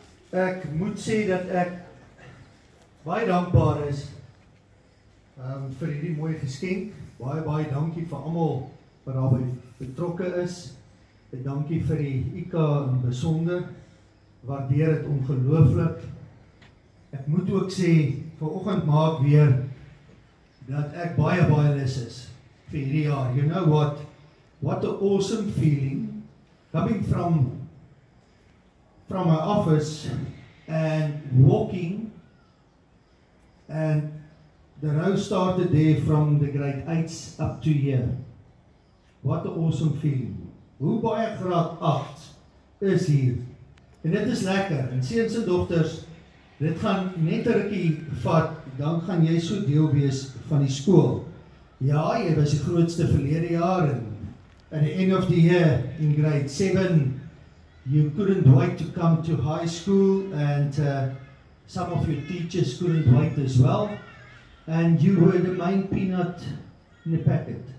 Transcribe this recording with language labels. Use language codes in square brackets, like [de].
[af] Ek moet sê dat ek baie dankbaar is vir hierdie mooie geskenk. Baie, baie dankie vir almal wat daarby betrokke is. En dankie vir die IK in besonder. Waardeer het ongelooflik. Ek moet ook sê, vanoggend maak weer dat ek baie, baie lus is vir hierdie jaar. [en] You know what? What an awesome feeling coming from my office and walking, and the row started there from the grade 8s up to here. What an awesome feeling. [af] Hoe baie graad 8 is hier. En dit is lekker. En seuns en dogters, dit gaan net 'n rukkie vat, dan gaan jy so deel wees van die school. Ja, jy was die grootste verlede jaar en [en] at the end of the year, in grade 7, you couldn't wait to come to high school, and some of your teachers couldn't wait as well. And you were the main peanut in the packet.